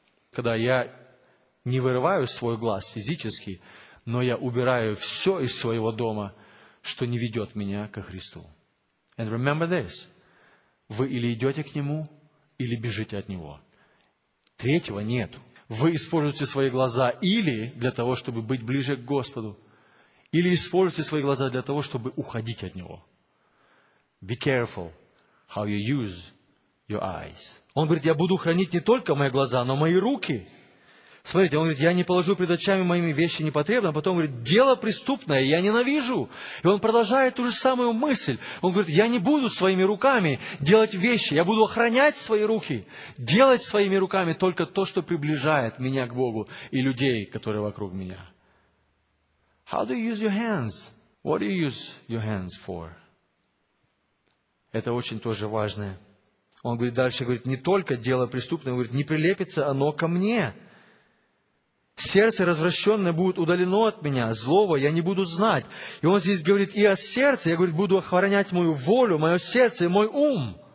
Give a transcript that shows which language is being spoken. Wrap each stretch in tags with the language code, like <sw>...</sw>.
<ru>Когда я не вырываю свой глаз физически, но я убираю все из своего дома, что не ведет меня ко Христу.</ru> <en>And remember this.</en> <ru>Вы или идете к Нему, или бежите от Него. Третьего нет. Вы используете свои глаза или для того, чтобы быть ближе к Господу, или используете свои глаза для того, чтобы уходить от Него.</ru> <en>Be careful how you use your eyes.</en> <ru>Он говорит, я буду хранить не только мои глаза, но мои руки. Смотрите, он говорит, я не положу пред очами моими вещи непотребные. Потом говорит, дело преступное, я ненавижу. И он продолжает ту же самую мысль. Он говорит, я не буду своими руками делать вещи. Я буду охранять свои руки, делать своими руками только то, что приближает меня к Богу и людей, которые вокруг меня.</ru> <en>How do you use your hands? What do you use your hands for?</en> <ru>Это очень тоже важное. Он говорит дальше, говорит, не только дело преступное, он говорит, не прилепится оно ко мне. Сердце развращенное будет удалено от меня, злого я не буду знать. И он здесь говорит и о сердце, я, говорит, буду охранять мою волю, мое сердце и мой ум.</ru>